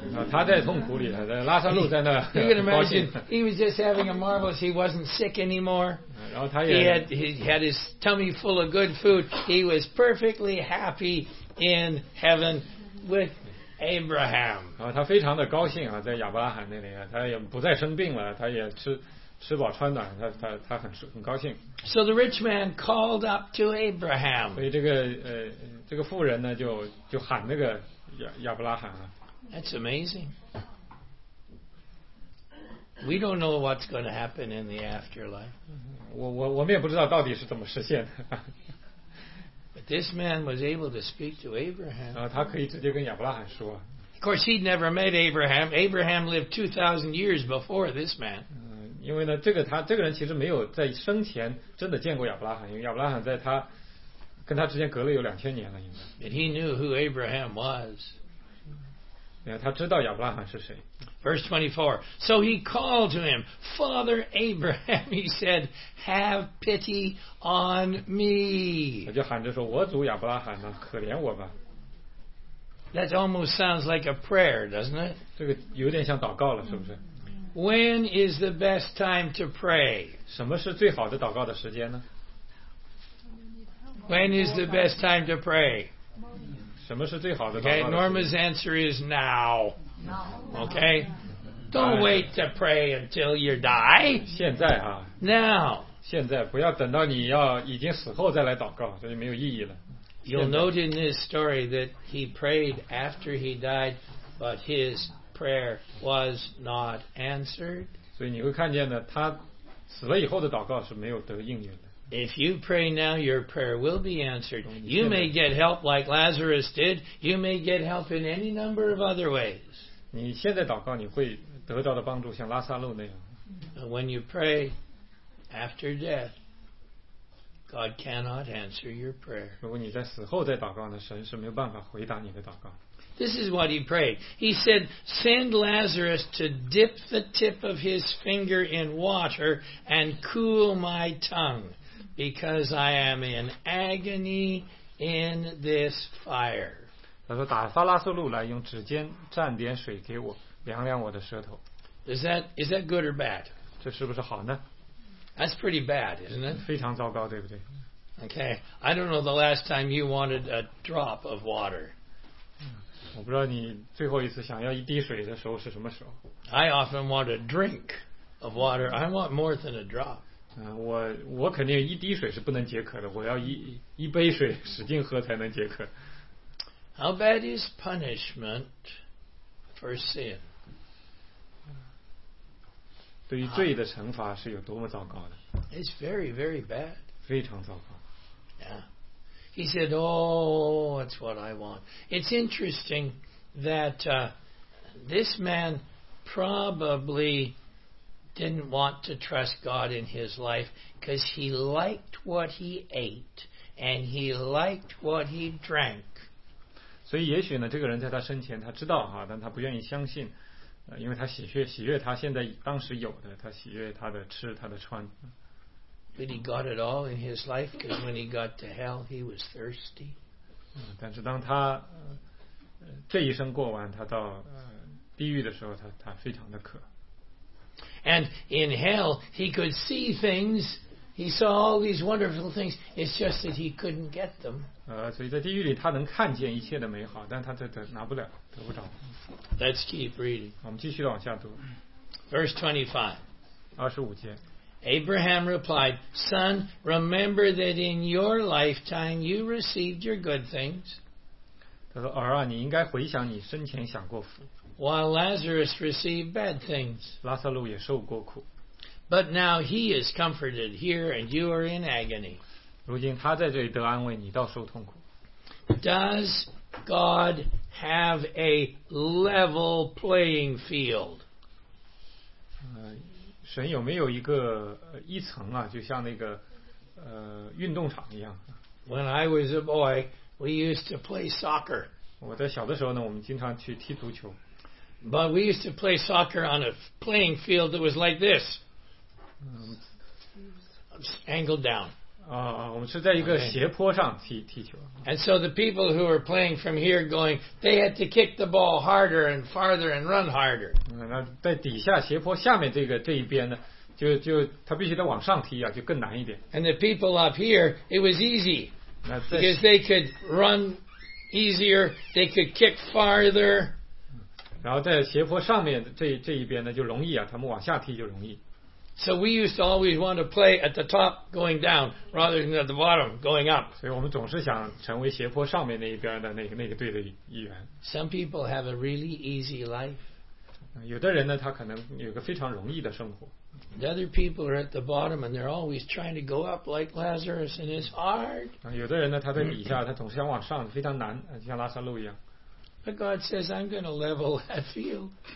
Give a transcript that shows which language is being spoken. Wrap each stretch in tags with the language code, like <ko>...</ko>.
<zh>他在痛苦里，拉撒路在那高兴。</zh> <en>You can imagine, he was just having a marvelous. He wasn't sick anymore.</en> <zh>然后他也</zh> <en>he had his tummy full of good food. He was perfectly happy in heaven with Abraham.</en> <zh>然后他非常的高兴啊，在亚伯拉罕那里啊，他也不再生病了，他也吃饱穿暖，他很高兴。</zh> <en>So the rich man called up to Abraham.</en> <zh>所以这个富人呢，就喊那个亚伯拉罕啊。</zh> <en>That's amazing. We don't know what's going to happen in the afterlife.</en> <zh>我们也不知道到底是怎么实现的。</zh> <en>But this man was able to speak to Abraham.</en> <zh>他可以直接跟亚伯拉罕说。</zh> <en>Of course, he'd never met Abraham. Abraham lived 2,000 years before this man.</en> <zh>因为呢，这个人其实没有在生前真的见过亚伯拉罕，因为亚伯拉罕在他跟他之间隔了有2000年了，应该。</zh> <en>But he knew who Abraham was.</en> <zh>他知道亚伯拉罕是谁。</zh> <en>Verse 24. So he called to him, Father Abraham, he said, have pity on me.</en> <zh>他就喊着说，我祖亚伯拉罕呢，可怜我吧。</zh> <en>That almost sounds like a prayer, doesn't it?</en> <zh>这个有点像祷告了，是不是？</zh> <en>When is the best time to pray?</en> <zh>什么是最好的祷告的时间呢？</zh> <en>When is the best time to pray?</en> <zh>什么是最好的祷告的时间？</zh> <en>Okay, Norma's answer is now. Okay? Don't wait to pray until you die.</en> <zh>现在啊。</zh> <en>Now.</en> <zh>现在，不要等到你要已经死后再来祷告，这就没有意义了。</zh> <en>You'll note in this story that he prayed after he died, but his prayer was not answered.</en> <zh>所以你会看见呢，他死了以后的祷告是没有得应允的。</zh> <en>If you pray now, your prayer will be answered. You may get help like Lazarus did. You may get help in any number of other ways.</en> <zh>你现在祷告，你会得到的帮助像拉撒路那样。</zh> <en>When you pray after death, God cannot answer your prayer.</en> <zh>如果你在死后再祷告呢，神是没有办法回答你的祷告。</zh> <en>This is what he prayed. He said, "Send Lazarus to dip the tip of his finger in water and cool my tongue, because I am in agony in this fire."</en> <zh>他说，打发拉撒路来，用指尖蘸点水给我，凉凉我的舌头。</zh> <en>Is that good or bad?</en> <zh>这是不是好呢？</zh> <en>That's pretty bad, isn't it?</en> <zh>非常糟糕，对不对？</zh> <en>Okay, I don't know the last time you wanted a drop of water.</en> <zh>我不知道你最后一次想要一滴水的时候是什么时候。</zh> <en>I often want a drink of water. I want more than a drop.</en> <zh>我肯定一滴水是不能解渴的，我要一杯水使劲喝才能解渴。</zh> <en>How bad is punishment for sin?</en> <zh>对于罪的惩罚是有多么糟糕的。</zh> <en>It's very, very bad.</en> <zh>非常糟糕。</zh> <en>Yeah. He said, oh, that's what I want. It's interesting that this man probably didn't want to trust God in his life because he liked what he ate and he liked what he drank.</en> <zh>所以也许呢，这个人在他生前他知道哈，但他不愿意相信。因为他喜悦他现在当时有的，他喜悦他的吃他的穿。</zh> <en>But he got it all in his life, because when he got to hell, he was thirsty.</en> <zh>但是当他这一生过完，他到地狱的时候，他非常的渴。</zh> <en>And in hell, he could see things. He saw all these wonderful things. It's just that he couldn't get them.</en> <zh>所以在地狱里，他能看见一切的美好，但他这拿不了，得不着。</zh> <en>Let's keep reading.</en> <zh>我们继续往下读。</zh> <en>Verse 25.</en> <zh>25节。</zh> <en>Abraham replied, "Son, remember that in your lifetime you received your good things."</en> <zh>他说，儿啊，你应该回想你生前享过福。</zh> <en>While Lazarus received bad things.</en> <zh>拉撒路也受过苦。</zh> <en>But now he is comforted here, and you are in agony.</en> <zh>如今他在这里得安慰，你倒受痛苦。</zh> <en>Does God have a level playing field?</en> <zh>神有没有一个一层啊，就像那个运动场一样。</zh> <en>When I was a boy, we used to play soccer.</en> <zh>我在小的时候呢，我们经常去踢足球。</zh> <en>But we used to play soccer on a playing field that was like this. Angled down.</en> <zh>我们是在一个斜坡上踢球。</zh> <en>And so the people who were playing from here going, they had to kick the ball harder and farther and run harder.</en> <zh>那在底下斜坡下面这一边呢，就他必须得往上踢啊，就更难一点。</zh> <en>And the people up here, it was easy. Because they could run easier, they could kick farther.</en> <zh>然后在斜坡上面这一边呢就容易啊，他们往下踢就容易。</zh> <en>So we used to always want to play at the top going down rather than at the bottom going up.</en> <zh>所以我们总是想成为斜坡上面那一边的那个队的一员。</zh> <en>Some people have a really easy life.</en> <zh>有的人呢，他可能有个非常容易的生活。</zh> <en>The other people are at the bottom and they're always trying to go up like Lazarus and it's hard.</en> <zh>有的人呢，他在底下，他总是想往上，非常难，像拉撒路一样。</zh> <en>But God says, "I'm going to level that field."</en>